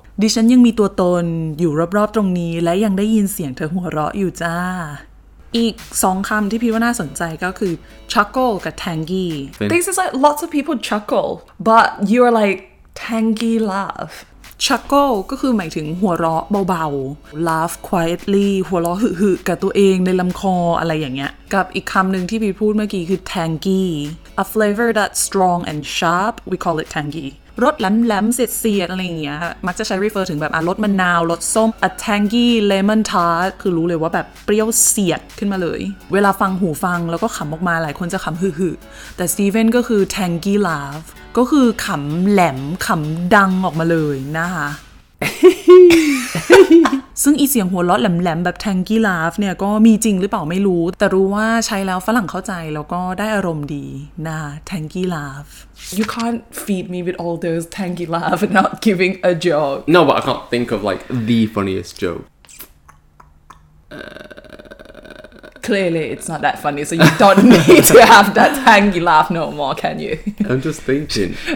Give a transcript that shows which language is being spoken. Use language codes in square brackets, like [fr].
[th] ดิฉันยังมีตัวตนอยู่รอบๆตรงนี้และยังได้ยินเสียงเธอหัวเราะอยู่จ้าีก2คำที่พี่ว่าน่าสนใจก็คือ chuckle กับ tangy [en] This is like lots of people chuckle but you are like tangy laugh [th] Chuckle ก็คือหมายถึงหัวเราะเบาๆ [en] Laugh quietly [th] หัวเราะหึๆกับตัวเองในลำคออะไรอย่างเงี้ยกับอีกคำหนึ่งที่พี่พูดเมื่อกี้คือ Tangy [en] A flavor that's strong and sharp We call it Tangy [th] รสแหลมๆเสียดสีอะไรอย่างเงี้ยมักจะใช้ refer ถึงแบบรสมะนาวรสส้ม [en] A Tangy lemon tart [th] คือรู้เลยว่าแบบเปรี้ยวเสียดขึ้นมาเลยเวลาฟังหูฟังแล้วก็ขำออกมาหลายคนจะขำหึๆแต่ Steven ก็คือ Tangy laughก็คือขำแหลมขำดังออกมาเลยนะคะ ซึ่งอีเสียงหัวเราะแหลมๆแบบ Tangy Laugh เนี่ยก็มีจริงหรือเปล่าไม่รู้แต่รู้ว่าใช้แล้วฝรั่งเข้าใจแล้วก็ได้อารมณ์ดีนะ Tangy Laugh [en] You can't feed me with all those Tangy Laugh and not giving a joke No but I can't think of like the funniest joke Clearly, it's not that funny, so you don't need to have that tangy laugh no more, can you? I'm just thinking.